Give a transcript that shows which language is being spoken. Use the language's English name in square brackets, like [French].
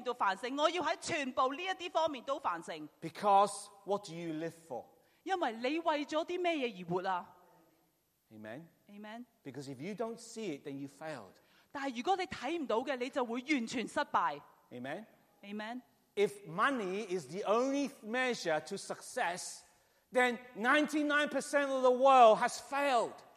[Chinese] 你就会懂得去跟神讲和神祈祷，我不只是要在我这一方面繁盛，我要在全部这些方面都繁盛。 [English] Because what do you live for? [Chinese] 因为你为了什么而活啊? [English] Amen. Amen. Because if you don't see it, then you failed. [Chinese] 但如果你看不到的，你就会完全失败。 [English] Amen. Amen. If money is the only measure to success, then 99% of the world has failed.